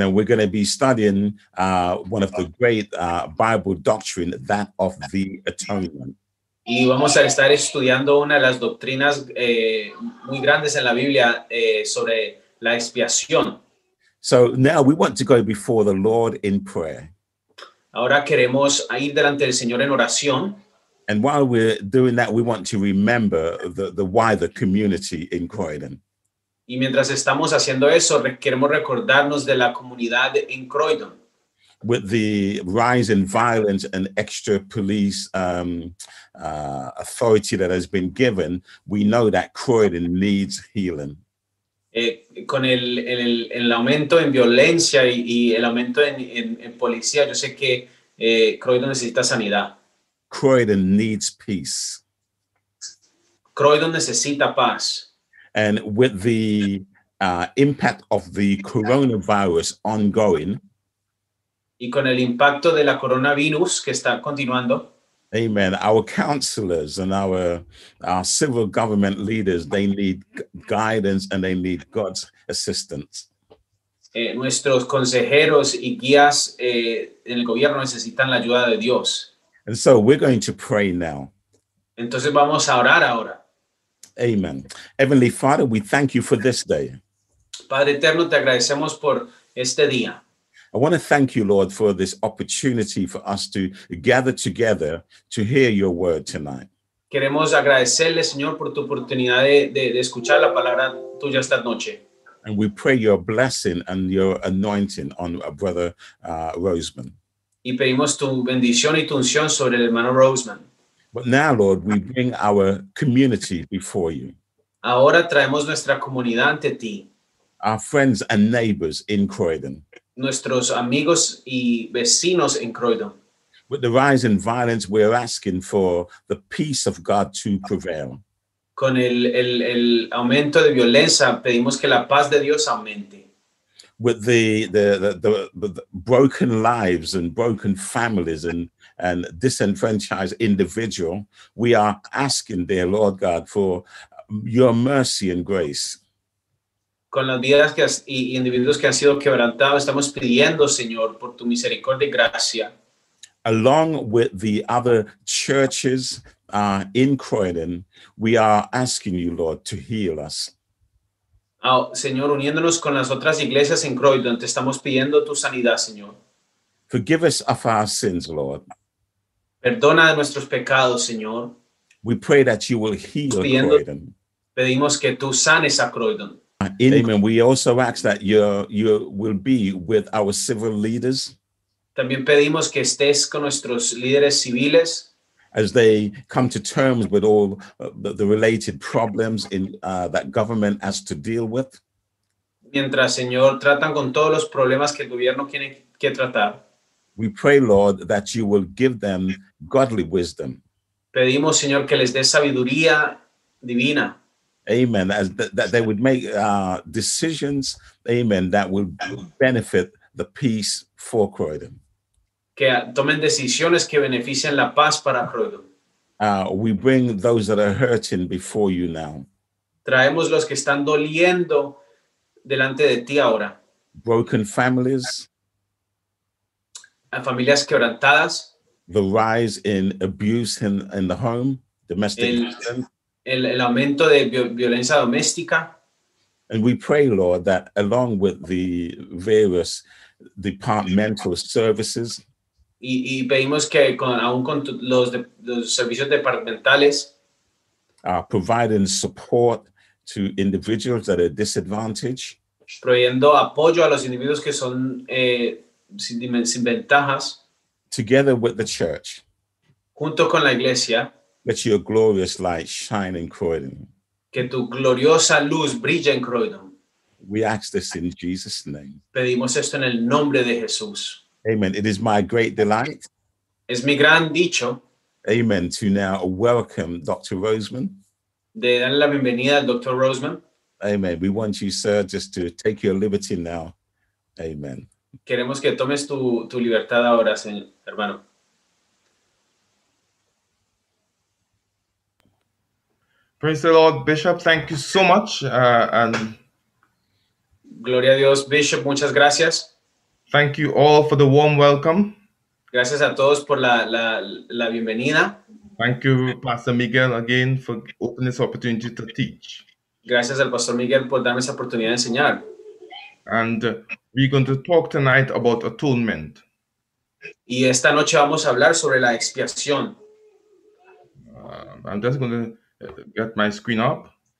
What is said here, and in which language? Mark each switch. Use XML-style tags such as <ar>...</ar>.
<en>And we're going to be studying one of the great Bible doctrine, that of the atonement.</en> <es>Y vamos a estar estudiando una de las doctrinas muy grandes en la Biblia sobre la expiación.</es> <en>So now we want to go before the Lord in prayer.</en> <es>Ahora queremos ir delante del Señor en oración.</es> <en>And while we're doing that, we want to remember the wider community in Croydon.</en> <es>Y mientras estamos haciendo eso, queremos recordarnos de la comunidad en Croydon.</es> <en>With the rise in violence and extra police authority that has been given, we know that Croydon needs healing.</en> <es>Con el aumento en violencia y el aumento en policía, yo sé que Croydon necesita sanidad.</es> <en>Croydon needs peace.</en> <es>Croydon necesita paz.</es> <en>And with the impact of the coronavirus ongoing,</en> <es>y con el impacto de la coronavirus que está continuando,</es> <en>amen, our counselors and our civil government leaders, they need guidance and they need God's assistance.</en> <es>Nuestros consejeros y guías en el gobierno necesitan la ayuda de Dios.</es> <en>And so we're going to pray now.</en> <es>Entonces vamos a orar ahora.</es> <en>Amen. Heavenly Father, we thank you for this day.</en> <es>Padre eterno, te agradecemos por este día.</es> <en>I want to thank you, Lord, for this opportunity for us to gather together to hear your word tonight.</en> <es>Queremos agradecerle, Señor, por tu oportunidad de escuchar la palabra tuya esta noche.</es> <en>And we pray your blessing and your anointing on Brother Roseman.</en> <es>Y pedimos tu bendición y tu unción sobre el hermano Roseman.</es> <en>But now, Lord, we bring our community before you.</en> <es>Ahora traemos nuestra comunidad ante ti.</es> <en>Our friends and neighbors in Croydon.</en> <es>Nuestros amigos y vecinos en Croydon.</es> <en>With the rise in violence, we're asking for the peace of God to prevail.</en> <es>Con el aumento de violencia, pedimos que la paz de Dios aumente.</es> <en>With the broken lives and broken families and disenfranchised individual, we are asking, dear Lord God, for your mercy and grace.</en> <es>Con las vidas que y individuos que han sido quebrantados, estamos pidiendo, Señor, por tu misericordia y gracia.</es> <en>Along with the other churches in Croydon, we are asking you, Lord, to heal us.</en> <es>Oh, Señor, uniéndonos con las otras iglesias en Croydon, te estamos pidiendo tu sanidad, Señor.</es> <en>Forgive us of our sins, Lord.</en> <es>Perdona de nuestros pecados, Señor.</es> <en>We pray that you will heal Croydon.</en> <es>Pedimos que tú sanes a Croydon.</es> <en>Amen. We also ask that you will be with our civil leaders.</en> <es>También pedimos que estés con nuestros líderes civiles.</es> <en>As they come to terms with all the related problems in that government has to deal with.</en> <es>Mientras, Señor, tratan con todos los problemas que el gobierno tiene que tratar.</es> <en>We pray, Lord, that you will give them godly wisdom.</en> <es>Pedimos, Señor, que les dé sabiduría divina.</es> <en>Amen. That they would make decisions, amen, that will benefit the peace for Croydon.</en> <es>Que tomen decisiones que beneficien la paz para Croydon.</es> <en>We bring those that are hurting before you now.</en> <es>Traemos los que están doliendo delante de ti ahora.</es> <en>Broken families.</en> <es>A familias quebrantadas.</es> <en>The rise in abuse in the home, domestic</en> <es>el aumento de violencia doméstica.</es> <en>And we pray, Lord, that along with the various departmental services.</en> <es>Y pedimos que los servicios departamentales.</es> <en>Providing support to individuals that are disadvantaged.</en> <es>Proveyendo apoyo a los individuos que son sin ventajas.</es> <en>Together with the church.</en> <es>Junto con la iglesia.</es> <en>Let your glorious light shine in Croydon.</en> <es>Que tu gloriosa luz brille en Croydon.</es> <en>We ask this in Jesus' name.</en> <es>Pedimos esto en el nombre de Jesús.</es> <en>Amen. It is my great delight.</en> <es>Es mi gran dicho.</es> <en>Amen. To now welcome Dr. Roseman.</en> <es>De darle la bienvenida al Dr. Roseman.</es> <en>Amen. We want you, sir, just to take your liberty now. Amen.</en> <es>Queremos que tomes tu libertad ahora, señor, hermano.</es> <en>Praise the Lord, Bishop. Thank you so much. And</en> <es>Gloria a Dios, Bishop. Muchas gracias.</es> <en>Thank you all for the warm welcome.</en> <es>Gracias a todos por la bienvenida.</es> <en>Thank you, Pastor Miguel, again, for opening this opportunity to teach.</en> <es>Gracias al Pastor Miguel por darme esa oportunidad de enseñar.</es> <en>And we're going to talk tonight about atonement.</en> <es>Y esta noche vamos a hablar sobre la expiación.</es> <en>I'm just going to get my screen up.</en>